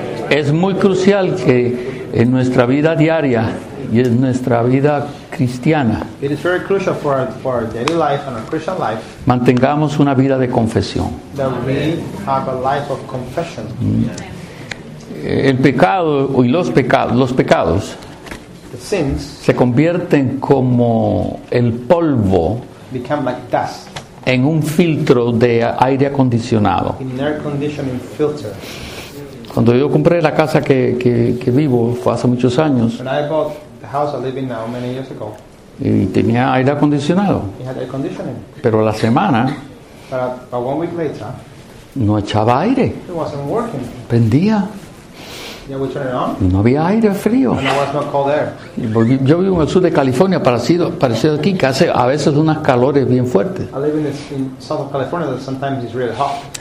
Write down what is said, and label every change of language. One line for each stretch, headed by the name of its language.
Spanish: Es muy crucial que en nuestra vida diaria y en nuestra vida cristiana,
English: it is very crucial for our daily life and our Christian life,
Spanish: mantengamos una vida de confesión.
English: That we have a life of confession.
Spanish: El pecado y los pecados
English: the sins
Spanish: se convierten como el polvo,
English: become like dust,
Spanish: en un filtro de aire acondicionado.
English: In an air conditioning filter.
Spanish: Cuando yo compré la casa que vivo, fue hace muchos años.
English: When I bought the house I live in now, many years ago.
Spanish: Y tenía aire acondicionado.
English: It had air conditioning.
Spanish: Pero la semana,
English: but 1 week later,
Spanish: no echaba aire.
English: It wasn't working.
Spanish: Prendía.
English: Yeah, we turned it on.
Spanish: No había aire frío.
English: And there was no cold air.
Spanish: Yo vivo en el sur de California, parecido aquí, que hace a veces unas calores bien fuertes.
English: I live in South California that sometimes it's really hot.